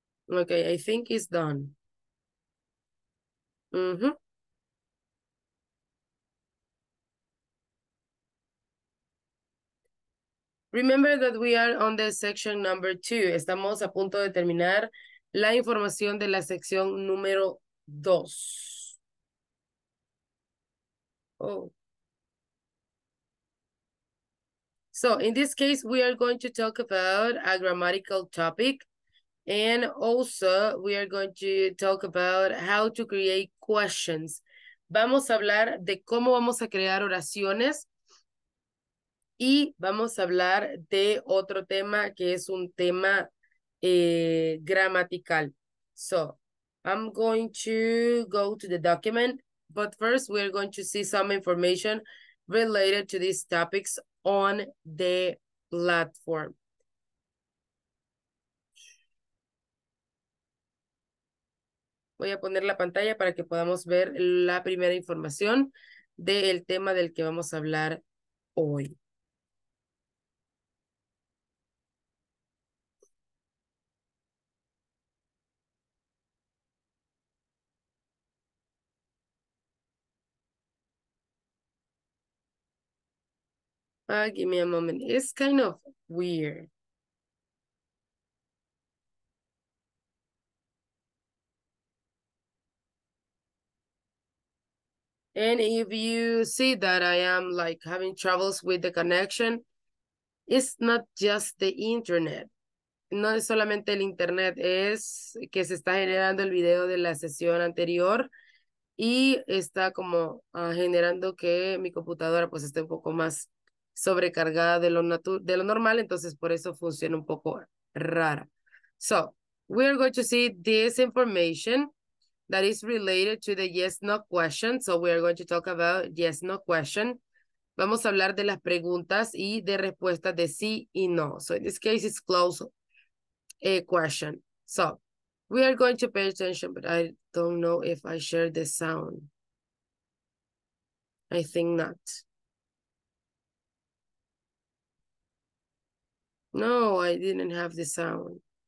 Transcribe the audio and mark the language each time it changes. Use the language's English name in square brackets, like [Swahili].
[English] Okay, I think it's done. Remember that we are on the section number 2. [Spanish] Estamos a punto de terminar la información de la sección número 2. Oh. [English] So, in this case, we are going to talk about a grammatical topic. And also, we are going to talk about how to create questions. [Spanish] Vamos a hablar de cómo vamos a crear oraciones. Y vamos a hablar de otro tema que es un tema gramatical. [English] So, I'm going to go to the document, but first we're going to see some information related to these topics on the platform. [Spanish] Voy a poner la pantalla para que podamos ver la primera información del tema del que vamos a hablar hoy. [English] Give me a moment. It's kind of weird. And if you see that I am like having troubles with the connection, it's not just the internet. [Spanish] No es solamente el internet, es que se está generando el video de la sesión anterior y está como generando que mi computadora pues esté un poco más sobrecargada de lo normal, entonces por eso funciona un poco rara. [English] So, we are going to see this information that is related to the yes no question. So we are going to talk about yes no question. [Spanish] Vamos a hablar de las preguntas y de respuestas de sí y no. [English] So in this case it's closed question. So we are going to pay attention, but I don't know if I share the sound. I think not. No, I didn't have the sound.